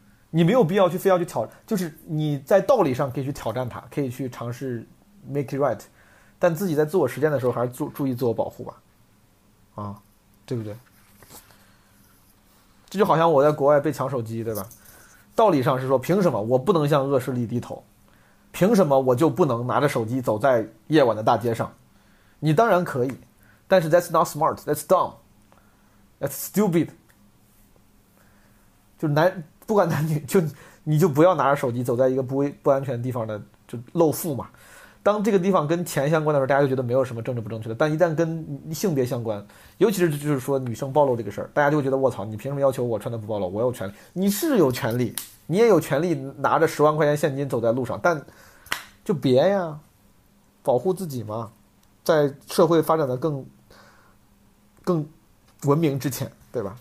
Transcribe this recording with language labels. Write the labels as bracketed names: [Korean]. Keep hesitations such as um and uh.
[Chinese] 你没有必要去非要去挑，就是你在道理上可以去挑战它，可以去尝试 [English] make it right， [Chinese] 但自己在自我实践的时候，还是注注意自我保护吧。啊。对不对？这就好像我在国外被抢手机，对吧？道理上是说，凭什么我不能向恶势力低头？凭什么我就不能拿着手机走在夜晚的大街上？你当然可以，但是 [English] that's not smart, that's dumb, that's stupid [Chinese] 就。就男不管男女，就你就不要拿着手机走在一个不不安全的地方的，就露富嘛。当这个地方跟钱相关的时候，大家就觉得没有什么政治不正确的。但一旦跟性别相关，尤其是就是说女生暴露这个事儿，大家就会觉得“卧槽，你凭什么要求我穿的不暴露？我有权利，你是有权利，你也有权利拿着十万块钱现金走在路上，但就别呀，保护自己嘛，在社会发展的更更文明之前，对吧？